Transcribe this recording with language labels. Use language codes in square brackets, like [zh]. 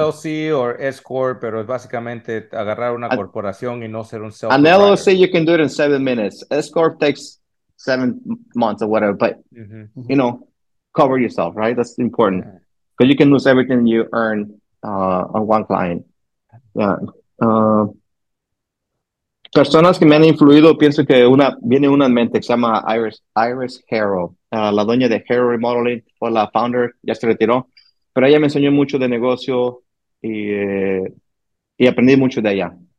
[es] LLC or S-Corp, pero es básicamente agarrar una corporación y no ser un self. [en] An LLC, you can do it in 7 minutes. S-Corp takes 7 months or whatever, but, you know, cover yourself, right? That's important. Because you can lose everything you earn on one client. Yeah. [es] Personas que me han influido, pienso que viene una en mente, que se llama Iris Harrow. La dueña de Harrow Remodeling, fue la founder, ya se retiró. Pero ella me enseñó mucho de negocio y aprendí mucho de ella.